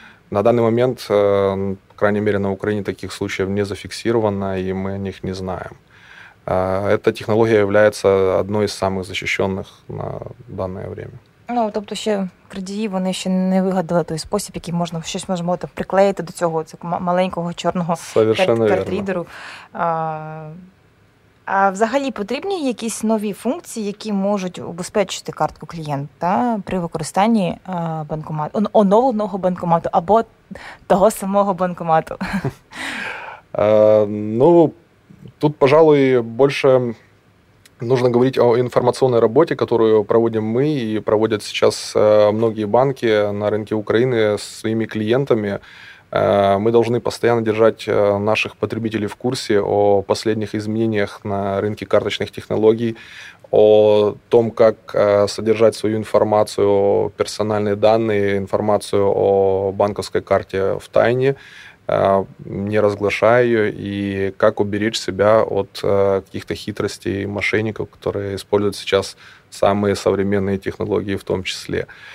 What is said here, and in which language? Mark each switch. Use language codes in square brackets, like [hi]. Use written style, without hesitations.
[ru] На данный момент, по крайней мере, на Украине таких случаев не зафиксировано, и мы о них не знаем. Эта технология является одной из самых защищенных на данное время. [uk] Ну, тобто ще крадії, вони ще не вигадали той спосіб, який можна щось можемо там приклеїти до цього маленького чорного картрідеру. А взагалі потрібні якісь нові функції, які можуть убезпечити картку клієнта при використанні банкомату, оновленого банкомату або того самого банкомату? [ru] Ну, тут, пожалуй, больше нужно говорить о информационной работе, которую проводим мы и проводят сейчас многие банки на рынке Украины со своими клиентами. Мы должны постоянно держать наших потребителей в курсе о последних изменениях на рынке карточных технологий, о том, как содержать свою информацию, персональные данные, информацию о банковской карте в тайне, не разглашая ее, и как уберечь себя от каких-то хитростей и мошенников, которые используют сейчас самые современные технологии в том числе.